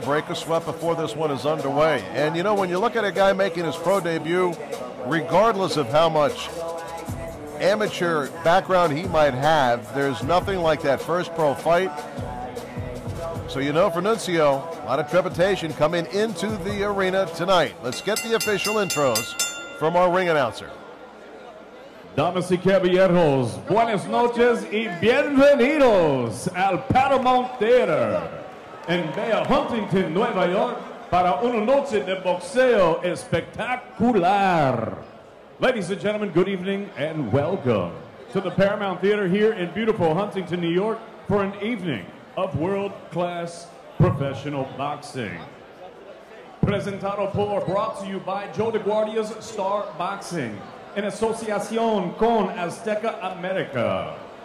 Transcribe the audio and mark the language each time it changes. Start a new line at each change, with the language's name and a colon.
English: Break a sweat before this one is underway. And, you know, when you look at a guy making his pro debut, regardless of how much amateur background he might have, there's nothing like that first pro fight. So, you know, for Nuncio, a lot of trepidation coming into the arena tonight. Let's get the official intros from our ring announcer.
Spanish: Damas y caballeros, buenas noches y bienvenidos al Paramount Theater en Bella, Huntington, Nueva York, para una noche de boxeo espectacular.
English: Ladies and gentlemen, good evening and welcome to the Paramount Theater here in beautiful Huntington, New York, for an evening of world-class professional boxing.
Spanish: Presentado por,
English: brought to you by
Spanish: Joe DeGuardia's Star Boxing, en asociación con Azteca America.